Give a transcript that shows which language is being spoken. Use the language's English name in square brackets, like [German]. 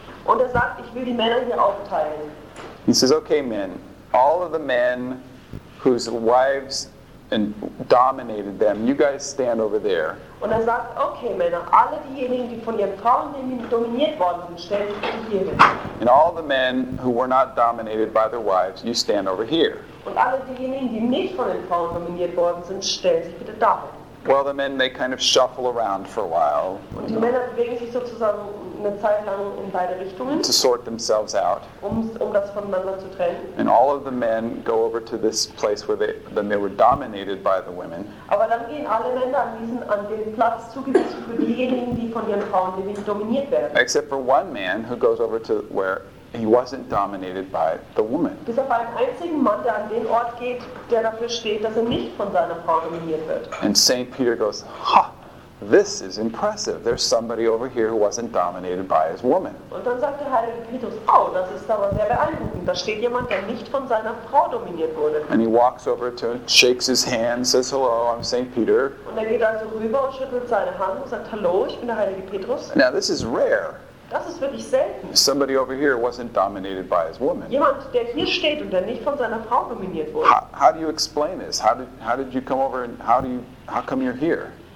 [German] Und er sagt, ich will die Männer hier aufteilen. [English] He says, okay, men, all of the men whose wives and dominated them, you guys stand over there. [German] Und er sagt, okay, Männer, alle diejenigen, die von ihren Frauen dominiert worden sind, stellen sich hier hin. [English] And all the men who were not dominated by their wives, you stand over here. [German] Und alle diejenigen, die nicht von den Frauen dominiert worden sind, stellen sich bitte da hin. [English] Well, the men, they kind of shuffle around for a while. [German] Und die Männer bewegen sich sozusagen eine Zeit lang in beide Richtungen. [English] To sort themselves out. [German] Um das voneinander zu trennen. [English] And all of the men go over to this place where they were dominated by the women. [German] Aber dann gehen alle Männer an den Platz zugewiesen für diejenigen, die von ihren Frauen dominiert werden. [English] Except for one man who goes over to where he wasn't dominated by the woman. [German] Bis auf einen einzigen Mann, der an den Ort geht, der dafür steht, dass er nicht von seiner Frau dominiert wird. [English] And St. Peter goes, ha, this is impressive. There's somebody over here who wasn't dominated by his woman. [German] Und dann sagt der heilige Petrus, oh, das ist aber sehr beeindruckend. Da steht jemand, der nicht von seiner Frau dominiert wurde. [English] And he walks over to him, shakes his hand, says, hello, I'm St. Peter. [German] Und er geht also rüber und schüttelt seine Hand und sagt, hallo, ich bin der heilige Petrus. [English] Now this is rare. [German] Das ist wirklich selten. [English] Somebody over here wasn't dominated by his woman. [German] Jemand, der hier steht und der nicht von seiner Frau dominiert wurde. [English] How do you explain this? How did you come over and how come you're here?